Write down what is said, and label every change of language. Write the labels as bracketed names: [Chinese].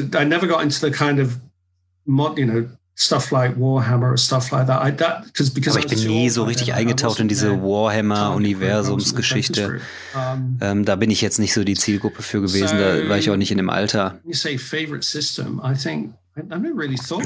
[English] I never got into the kind of mod, you know, stuff like Warhammer or stuff like that. [German] Aber ich bin nie so richtig eingetaucht in diese Warhammer-Universumsgeschichte. Da bin ich jetzt nicht so die Zielgruppe für gewesen. Da war ich auch nicht in dem Alter. [English] You say favorite system. I think I've never really thought.